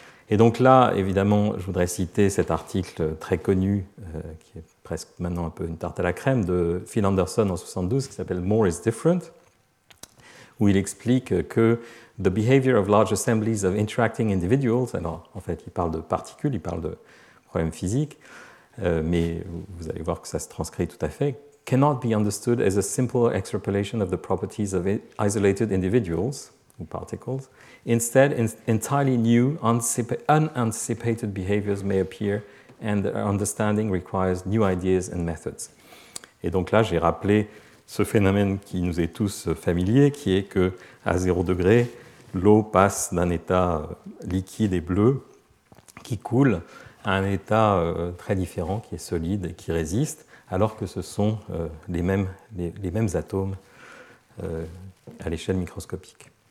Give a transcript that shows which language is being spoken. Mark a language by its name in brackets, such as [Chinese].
[French] Et donc là, évidemment, je voudrais citer cet article très connu qui est presque maintenant un peu une tarte à la crème de Phil Anderson en 72 qui s'appelle « More is different » où il explique que « [English] the behavior of large assemblies of interacting individuals [French] » alors en fait, il parle de particules, il parle de problèmes physiques mais vous allez voir que ça se transcrit tout à fait « [English] cannot be understood as a simple extrapolation of the properties of isolated individuals [French] » ou particles. [English] Instead, entirely new, unanticipated behaviors may appear, and their understanding requires new ideas and methods. [French] Et donc là, j'ai rappelé ce phénomène qui nous est tous familier, qui est que à 0 degré, l'eau passe d'un état liquide et bleu qui coule à un état très différent qui est solide et qui résiste, alors que ce sont les mêmes atomes à l'échelle microscopique.